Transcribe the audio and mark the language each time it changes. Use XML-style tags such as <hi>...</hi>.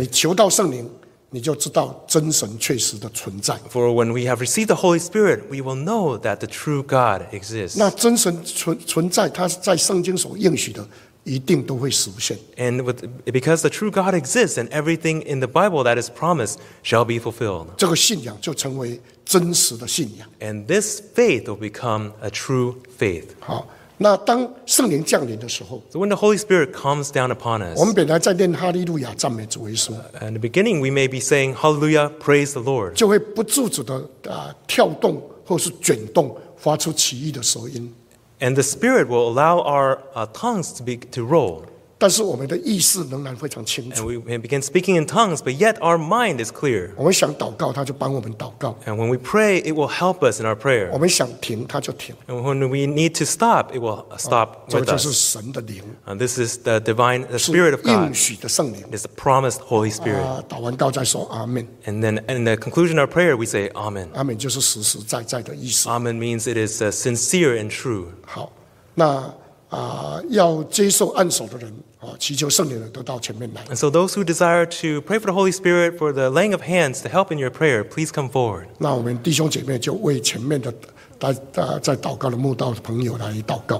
<zh>你求到圣灵，你就知道真神确实的存在。</zh> <en>For when we have received the Holy Spirit, we will know that the true God exists.</en> <zh>那真神存在，他在圣经所应许的，一定都会实现。</zh> <en>And with, because the true God exists, and everything in the Bible that is promised shall be fulfilled.</en> <zh>这个信仰就成为真实的信仰。</zh> <en>And this faith will become a true faith.</en> <zh>好，那当圣灵降临的时候</zh> <en>，So when the Holy Spirit comes down upon us,</en> <zh>我们本来在念哈利路亚赞美主耶稣。</zh> <en>In the beginning, we may be saying Hallelujah, praise the Lord.</en> <zh>就会不自主的跳动或是卷动，发出奇异的舌音。</zh> <en>And the Spirit will allow our tongues to roll.</en> <zh>但是我们的意识仍然非常清楚。</zh> <en>And we may begin speaking in tongues, but yet our mind is clear.</en> <zh>我们想祷告，他就帮我们祷告。</zh> <en>And when we pray, it will help us in our prayer.</en> <zh>我们想停，他就停。</zh> <en>And when we need to stop, it will stop with us.</en> <zh>这就是神的灵。</zh> <en>This is the divine, the Spirit of God.</en> <zh>是应许的圣灵。</zh> <en>It's the promised Holy Spirit.</en> <zh>祷完告再说阿们。</zh> <en>And then in the conclusion of our prayer, we say Amen.</en> <zh>阿们就是实实在在的意思。</zh> <en>Amen means it is sincere and true.</en> <zh>好，那要接受按手的人祈求圣灵的都到前面来。</zh> <en>And so those who desire to pray for the Holy Spirit for the laying of hands to help in your prayer, please come forward.</en> <zh>那我们弟兄姐妹就为前面的在祷告的慕道的朋友来祷告。</zh>